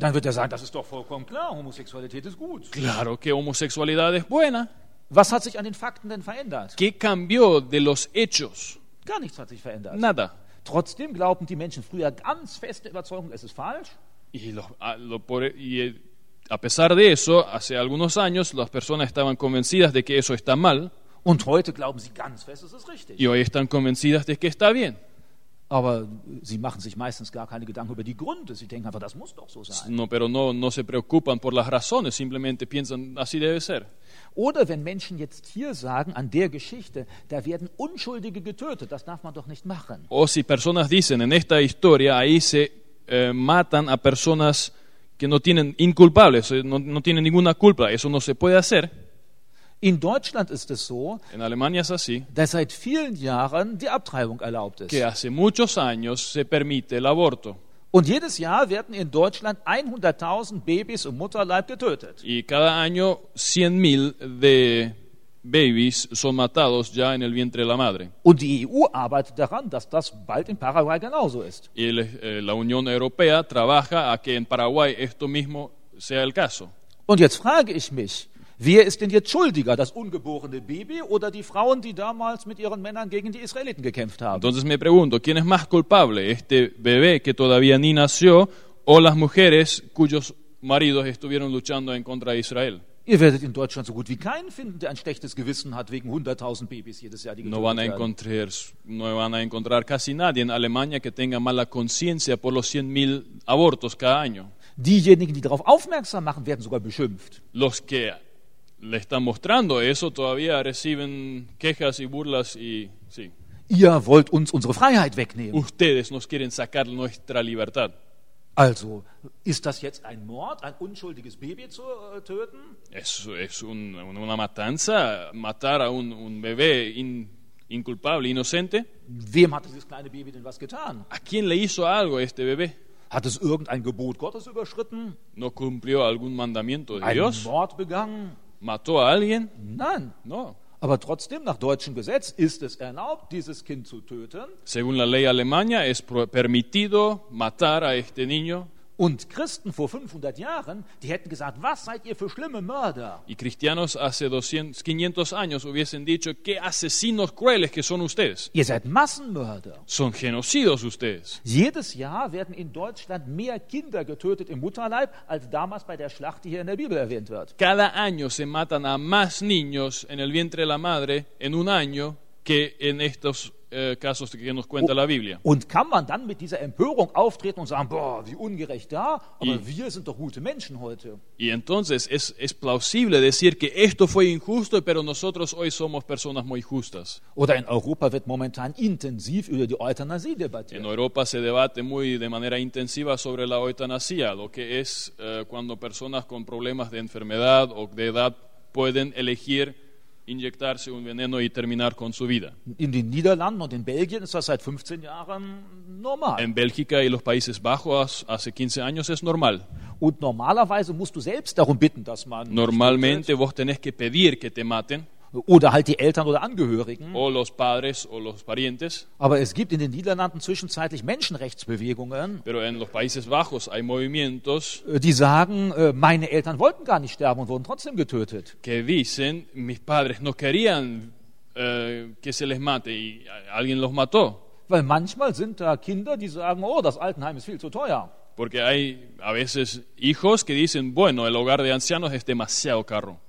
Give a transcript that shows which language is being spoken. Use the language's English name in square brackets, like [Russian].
[German] Dann wird er sagen, das ist doch vollkommen klar, Homosexualität ist gut. [Spanish] Claro que homosexualidad es buena. [German] Was hat sich an den Fakten denn verändert? [Spanish] ¿Qué cambió de los hechos? [German] Gar nichts hat sich verändert. [Spanish] Nada. [German] Trotzdem glaubten die Menschen früher ganz feste Überzeugung, es ist falsch. [Spanish] Y a pesar de eso, hace algunos años, las personas estaban convencidas de que eso está mal. [German] Und heute glauben sie ganz fest, es ist richtig. [Spanish] Y hoy están convencidas de que está bien. [German] Aber sie machen sich meistens gar keine Gedanken über die Gründe. Sie denken einfach, das muss doch so sein. [Spanish] No, pero no se preocupan por las razones. Simplemente piensan, así debe ser. [German] Oder wenn Menschen jetzt hier sagen, an der Geschichte, da werden Unschuldige getötet. Das darf man doch nicht machen. [Spanish] O si personas dicen, en esta historia, ahí se matan a personas que no tienen inculpables, no tienen ninguna culpa. Eso no se puede hacer. [German] In Deutschland ist es so, [Spanish] en Alemania es así, [German] dass seit vielen Jahren die Abtreibung erlaubt ist. [Spanish] Que hace muchos años se permite el aborto. [German] Und jedes Jahr werden in Deutschland 100.000 Babys im Mutterleib getötet. [Spanish] Y cada año 100.000 de babies son matados ya en el vientre de la madre. [German] Und die EU arbeitet daran, dass das bald in Paraguay genauso ist. [Spanish] Y la Unión Europea trabaja a que en Paraguay esto mismo sea el caso. [German] Und jetzt frage ich mich, wer ist denn jetzt schuldiger, das ungeborene Baby oder die Frauen, die damals mit ihren Männern gegen die Israeliten gekämpft haben? [Spanish] Entonces me pregunto, ¿quién es más culpable, este bebé que todavía ni nació o las mujeres cuyos maridos estuvieron luchando en contra de Israel? [German] Ihr werdet in Deutschland so gut wie keinen finden, der ein schlechtes Gewissen hat wegen 100.000 Babys jedes Jahr, die getötet werden. [Spanish] No van a encontrar casi nadie en Alemania que tenga mala conciencia por los 100.000 abortos cada año. [German] Diejenigen, die darauf aufmerksam machen, werden sogar beschimpft. [Spanish] Los que le están mostrando eso, todavía reciben quejas y burlas y sí. [German] Ihr wollt uns unsere Freiheit wegnehmen. [Spanish] Ustedes nos quieren sacar nuestra libertad. [German] Also, ist das jetzt ein Mord, ein unschuldiges Baby zu töten? [Spanish] Es una matanza, matar a un bebé inculpable, inocente. [German] Wem hat dieses kleine Baby denn was getan? [Spanish] ¿A quién le hizo algo este bebé? [German] Hat es irgendein Gebot Gottes überschritten? [Spanish] ¿No cumplió algún mandamiento de Dios? [German] Einen Mord begangen? [Spanish] Mató a alguien? [German] Nein. [Spanish] No. [German] Aber trotzdem, nach deutschem Gesetz ist es erlaubt, dieses Kind zu töten. [Spanish] Según la ley alemana, es permitido matar a este niño. [German] Und Christen vor 500 Jahren, die hätten gesagt, was seid ihr für schlimme Mörder? [Spanish] Y cristianos hace 500 años hubiesen dicho, qué asesinos crueles que son ustedes. [German] Ihr seid Massenmörder. [Spanish] Son genocidos ustedes. [German] Jedes Jahr werden in Deutschland mehr Kinder getötet im Mutterleib, als damals bei der Schlacht, die hier in der Bibel erwähnt wird. [Spanish] Cada año se matan a más niños en el vientre de la madre en un año que en estos casos que nos cuenta la Biblia. [German] Und kann man dann mit dieser Empörung auftreten und sagen, boah, wie ungerecht da, aber wir sind doch gute Menschen heute. [Spanish] Y entonces es plausible decir que esto fue injusto, pero nosotros hoy somos personas muy justas. [German] Oder in Europa wird momentan intensiv über die Euthanasie debattiert. [Spanish] En Europa se debate muy de manera intensiva sobre la eutanasia, lo que es cuando personas con problemas de enfermedad o de edad pueden elegir inyectarse un veneno y terminar con su vida. [German] In den Niederlanden und in Belgien ist das seit 15 Jahren normal. [Spanish] En Bélgica y los Países Bajos hace 15 años es normal. [German] Und normalerweise musst du selbst darum bitten, dass man [Spanish] normalmente vos tenés que pedir que te maten. [German] Oder halt die Eltern oder Angehörigen. [Spanish] O los padres o los parientes. [German] Aber es gibt in den Niederlanden zwischenzeitlich Menschenrechtsbewegungen. [Spanish] Pero en los Países Bajos hay movimientos. [German] Die sagen, meine Eltern wollten gar nicht sterben und wurden trotzdem getötet. [Spanish] Que dicen, mis padres no querían que se les mate y alguien los mató. [German] Weil manchmal sind da Kinder, die sagen, oh, das Altenheim ist viel zu teuer. [Spanish] Porque hay a veces hijos que dicen, bueno, el hogar de ancianos es demasiado caro.